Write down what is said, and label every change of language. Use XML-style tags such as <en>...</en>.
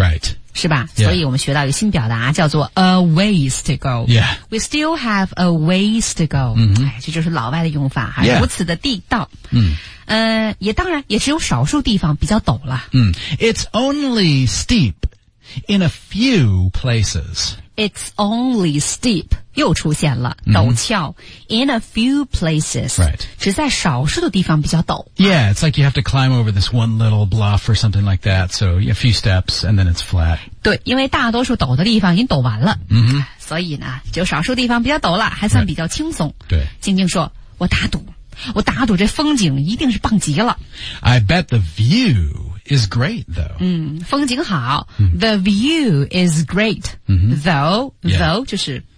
<en>right,</en> <zh>是吧、</zh> <en>yeah.</en> <zh>所以我们学到一个新表达叫做</zh> <en>a ways to go, yeah, we still have a ways to go、</en> <zh>哎，这就是老外的用法、</zh> <en>yeah.</en> <zh>如此的地道、也当然也只有少数地方比较陡了、</zh> <en>It's only steep in a few places It's only steep,</en> <zh>又出现了、陡峭</zh> <en>in a few places,、 right.</en> <zh>只在少数的地方比较陡。</zh> <en>Yeah, it's like you have to climb over this one little bluff or something like that, so a few steps and then it's flat.</en> <zh>对，因为大多数陡的地方已经陡完了、</zh> <en>mm-hmm.</en> <zh>所以呢就少数地方比较陡了还算比较轻松。</zh> <en>Right.</en> <zh>对，静静说，我打赌，我打赌这风景一定是棒极了。</zh> <en>I bet the view... is great though.</en> <zh>风景好、</zh> <en>The view is great、though、though</en> <zh>就是</zh>